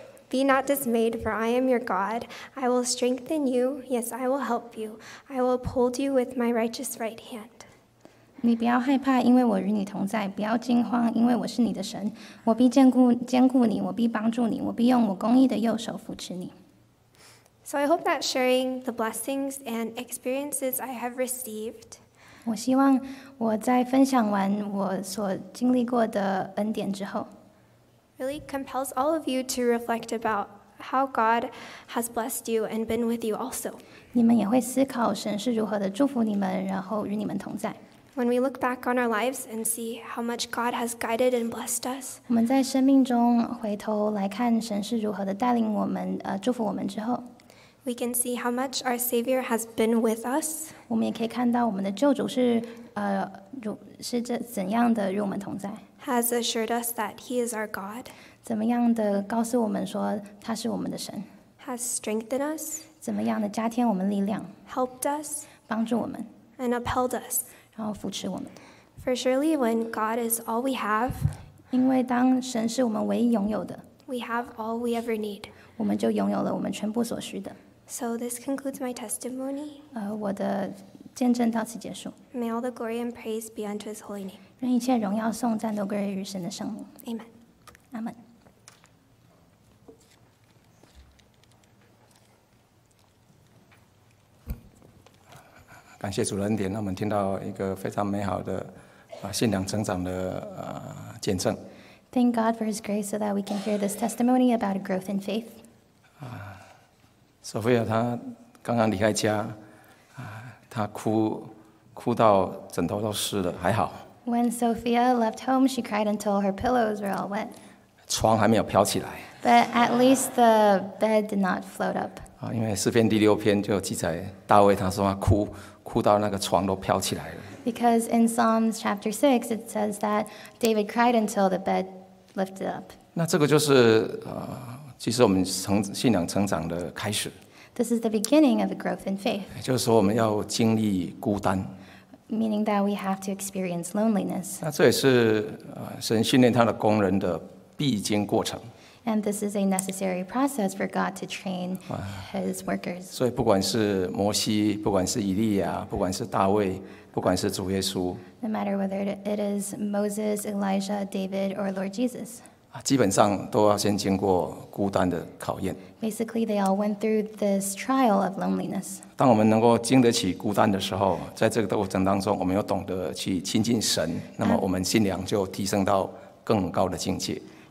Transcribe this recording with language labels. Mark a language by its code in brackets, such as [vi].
[en] Be not dismayed, for I am your God. I will strengthen you. Yes, I will help you. I will uphold you with my righteous right hand." [zh] 你不要害怕，因为我与你同在；不要惊慌，因为我是你的神。我必坚固你，我必帮助你，我必用我公义的右手扶持你。 [en] So I hope that sharing the blessings and experiences I have received, [zh] 我希望我在分享完我所经历过的恩典之后， [en] really compels all of you to reflect about how God has blessed you and been with you also. [zh] 你们也会思考神是如何的祝福你们，然后与你们同在。 [en] When we look back on our lives and see how much God has guided and blessed us, [zh] 我们在生命中回头来看神是如何的带领我们，祝福我们之后， [en] we can see how much our Savior has been with us. [zh] 我们也可以看到我们的救主是，是这怎样的与我们同在， [en] has assured us that He is our God. [zh] 怎么样的告诉我们说他是我们的神， [en] has strengthened us. [zh] 怎么样的加添我们力量， [en] helped us. [zh] 帮助我们， [en] and upheld us. [zh] 然后扶持我们。 [en] For surely, when God is all we have, [zh] 因为当神是我们唯一拥有的， [en] we have all we ever need. [zh] 我们就拥有了我们全部所需的。 [en] So this concludes my testimony. [zh] 我的见证到此结束。 [en] May all the glory and praise be unto His holy name. [zh] 愿一切荣耀颂赞都归于神的圣名。 [en] Amen. [zh] 阿门。感谢主的恩典，让我们听到一个非常美好的信仰成长的见证。 [en] Thank God for His grace so that we can hear this testimony about a growth in faith. [zh] Sophia 她刚刚离开家，她哭到枕头都湿了，还好。 [en] When Sophia left home, she cried until her pillows were all wet. [zh] 床还没有飘起来。 [en] But at least the bed did not float up. [zh] 因为诗篇第六篇就记载大卫他说他哭。哭到那个床都飘起来了。 [en] Because in Psalms chapter 6, it says that David cried until the bed lifted up. [zh] 那这个就是其实我们信仰成长的开始。 [en] This is the beginning of a growth in faith. [zh] 就是说我们要经历孤单。 [en] Meaning that we have to experience loneliness. [zh] 那这也是神训练他的工人的必经过程。 [en] And this is a necessary process for God to train His workers. [zh] 所以不管是摩西，不管是以利亚，不管是大卫，不管是主耶稣。 [en] No matter whether it is Moses, Elijah, David, or Lord Jesus. [zh] 基本上都要先经过孤单的考验。 [en] Basically, they all went through this trial of loneliness. [zh] 当我们能够经得起孤单的时候，在这个过程当中，我们又懂得去亲近神，那么我们信仰就提升到更高的境界。